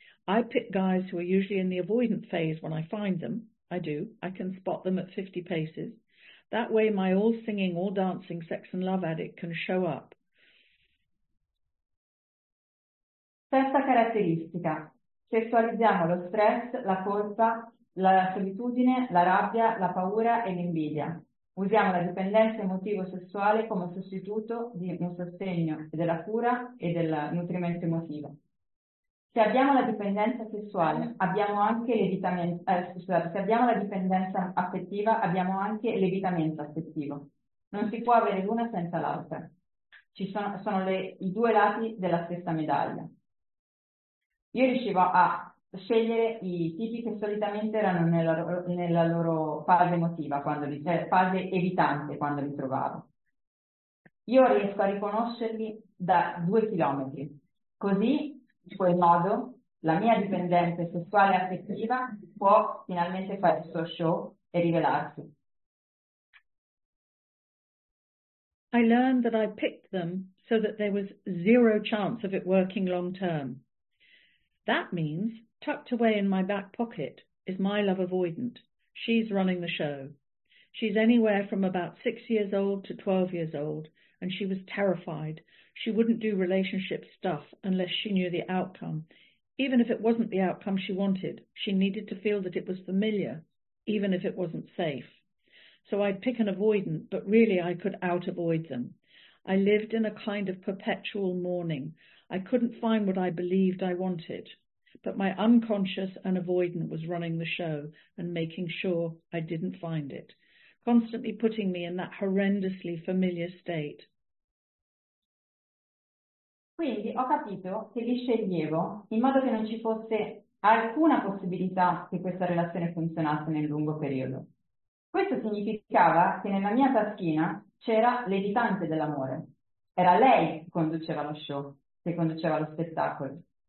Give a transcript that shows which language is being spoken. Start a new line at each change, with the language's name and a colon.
English: I pick guys who are usually in the avoidant phase when I find them. I do. I can spot them at 50 paces. That way, my all-singing, all-dancing sex and love addict can show up.
Italian: Sesta caratteristica. Sessualizziamo lo stress, la colpa, la solitudine, la rabbia, la paura e l'invidia. Usiamo la dipendenza emotivo-sessuale come sostituto di un sostegno della cura e del nutrimento emotivo. Se abbiamo la dipendenza sessuale, abbiamo anche se abbiamo la dipendenza affettiva, abbiamo anche l'evitamento affettivo. Non si può avere l'una senza l'altra. Sono i due lati della stessa medaglia. Io riuscivo a scegliere i tipi che solitamente erano nella loro fase emotiva, fase evitante quando li trovavo. Io riesco a riconoscerli da 2 chilometri. Così, in quel modo, la mia dipendenza sessuale e affettiva può finalmente fare il suo show e rivelarsi.
English: I learned that I picked them so that there was zero chance of it working long term. That means, tucked away in my back pocket, is my love avoidant. She's running the show. She's anywhere from about 6 years old to 12 years old, and she was terrified. She wouldn't do relationship stuff unless she knew the outcome. Even if it wasn't the outcome she wanted, she needed to feel that it was familiar, even if it wasn't safe. So I'd pick an avoidant, but really I could out-avoid them. I lived in a kind of perpetual mourning. I couldn't find what I believed I wanted, but my unconscious and avoidant was running the show and making sure I didn't find it, constantly putting me in that horrendously familiar state.
Italian: Quindi ho capito che li sceglievo in modo che non ci fosse alcuna possibilità che questa relazione funzionasse nel lungo periodo. Questo significava che nella mia taschina c'era l'evitante dell'amore. Era lei che conduceva lo show, che conduceva lo spettacolo.